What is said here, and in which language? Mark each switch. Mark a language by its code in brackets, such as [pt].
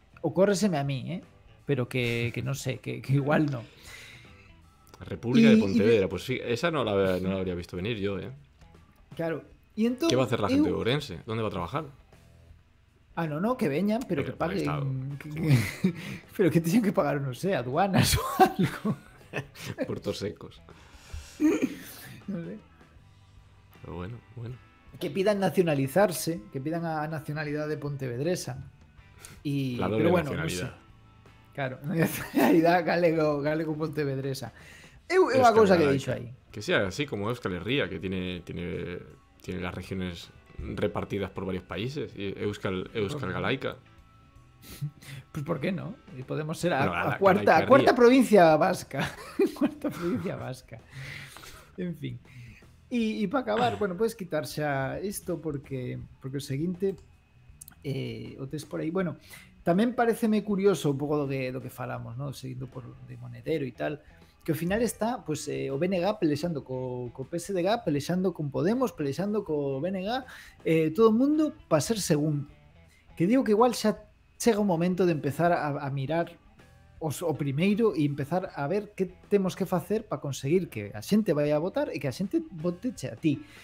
[gl] Ocórreseme a mí, pero que non sei, que igual non. [es] A República de Pontevedra, pues sí, esa non la habría visto venir yo, Claro. Y entón, ¿qué va a hacer la gente de Ourense? ¿Dónde va a trabajar? [gl] Ah, no, que veñan, pero que paguen. Pero que teñen que pagar, no sé, aduanas o algo. [es] Puertos secos. No sé. Pero bueno. [gl] Que pidan nacionalizarse, que pidan a nacionalidad de pontevedresa. Y, [es] la doble pero bueno, nacionalidad. No sé. Claro, nacionalidad galego-pontevedresa. Es una cosa verdad, que he dicho ahí. Que sea así como Euskal Herria, que tiene las regiones repartidas por varios países. Euskal Galaica. Pues ¿por qué no? Podemos ser a cuarta provincia vasca. Cuarta provincia vasca. En fin. Y para acabar, bueno, puedes quitar [gl] xa esto porque o seguinte o tes por aí. Bueno, tamén pareceme curioso un pouco do que falamos, ¿no? Seguindo por de Monedero e tal. Que ao final está pues, o BNG pelexando co PSDG, pelexando con Podemos, pelexando co BNG, todo o mundo para ser segundo. Que digo que igual xa chega o momento de empezar a mirar o primeiro e empezar a ver que temos que facer para conseguir que a xente vaya a votar e que a xente vote che a ti.